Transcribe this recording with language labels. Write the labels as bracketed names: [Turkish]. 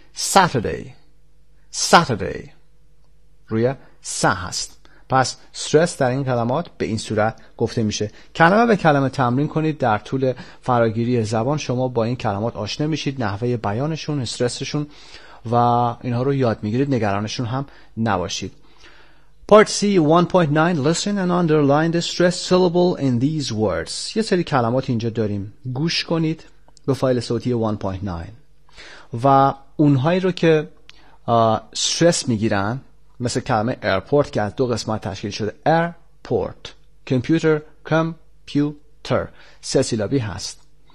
[English] Saturday. Saturday. [Persian] روی س هست. پس استرس در این کلمات به این صورت گفته میشه. کلمه به کلمه تمرین کنید. در طول فراگیری زبان شما با این کلمات آشنا میشید. نحوه بیانشون، استرسشون و اینها رو یاد میگیرید. نگرانشون هم نباشید. [English] Part C 1.9. Listen and underline the stressed syllable in these words. [Persian] یه سری کلمات اینجا داریم. گوش کنید به فایل صوتی 1.9 و اونهایی رو که استرس میگیرن، مثل کلمه ایرپورت که از دو قسمت تشکیل شده. ایرپورت، کمپیوتر، کمپیوتر، سه سیلابی هست.